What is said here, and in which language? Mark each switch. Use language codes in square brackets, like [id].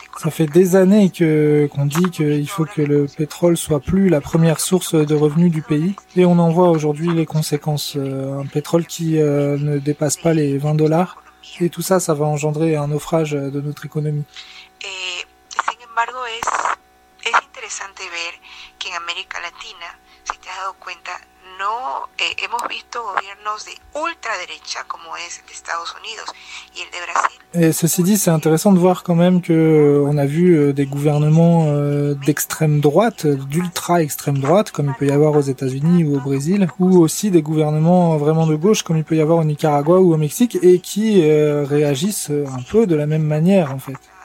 [fr] Ça fait des années qu'on dit qu'il faut que le pétrole soit plus la première source de revenus du pays. Et on en voit aujourd'hui les conséquences. Un pétrole qui ne dépasse pas les 20 dollars. Et tout ça, ça va engendrer un naufrage de notre économie. [es] Sin embargo, es interesante ver que en América Latina, si te has dado cuenta, no hemos visto gobiernos de ultraderecha como es el de Estados Unidos y el de Brasil. [fr] Et ceci dit, c'est intéressant de voir quand même qu'on a vu des gouvernements d'extrême droite, d'ultra-extrême droite, comme il peut y avoir aux États-Unis ou au Brésil, ou aussi des gouvernements vraiment de gauche, comme il peut y avoir au Nicaragua ou au Mexique, et qui réagissent un peu de la même manière, en fait.